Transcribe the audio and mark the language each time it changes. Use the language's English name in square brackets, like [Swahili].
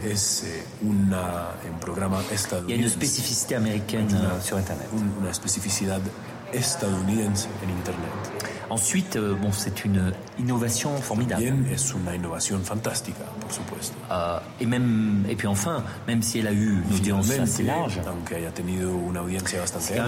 [Spanish] Es un programa estadounidense. [French] Il y a une spécificité américaine sur Internet. [Spanish] Una especificidad estadounidense en Internet. [French] Ensuite, bon, c'est une innovation formidable. [Spanish] También es una innovación fantástica, por supuesto. [French] Et puis enfin, même si elle a eu une audience assez large, [Spanish] aunque haya tenido una audiencia bastante amplia,